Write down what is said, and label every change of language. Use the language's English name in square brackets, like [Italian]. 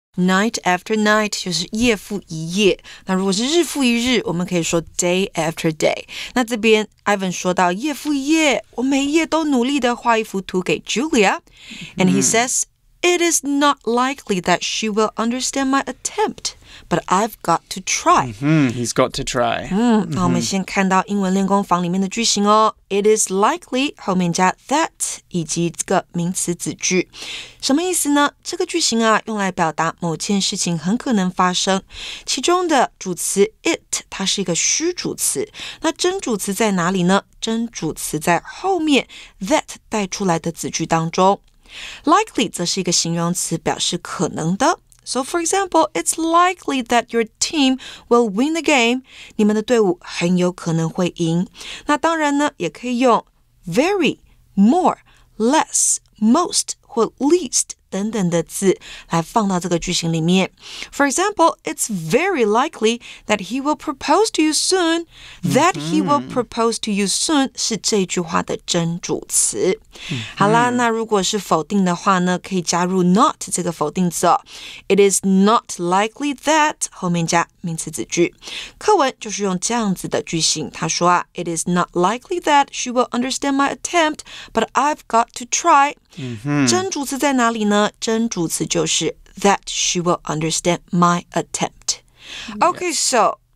[Chinese] Night after night, 就是夜复一夜。那如果是日复一日，我们可以说 day after day。那这边 Ivan 说到夜复一夜，我每夜都努力地画一幅图给 Julia。 [English] And he says, it is not likely that she will understand my attempt, but I've got to try. He's got to try. [Chinese] 那我们先看到英文练功房里面的句型哦。 It is likely, 后面加 that, 以及这个名词子句。什么意思呢？这个句型啊，用来表达某件事情很可能发生。其中的主词 it, 它是一个虚主词。那真主词在哪里呢？真主词在后面 that 带出来的子句当中。 Likely 则是一个形容词，表示可能的。 [English] So for example, it's likely that your team will win the game. [Chinese] 你们的队伍很有可能会赢。那当然呢，也可以用 very, more, less, most, 或 least 等等的字来放到这个句型里面。 [English] For example, it's very likely that he will propose to you soon. That he will propose to you soon [Chinese] 是这句话的真主词。好啦，那如果是否定的话呢，可以加入 not 这个否定词哦。 [English] It is not likely that [Chinese] 后面加名词子句。课文就是用这样子的句型，他说啊 ， [English] It is not likely that she will understand my attempt, but I've got to try. [Chinese] 真主词在哪里呢？真主词就是 [English] that she will understand my attempt. Okay, so.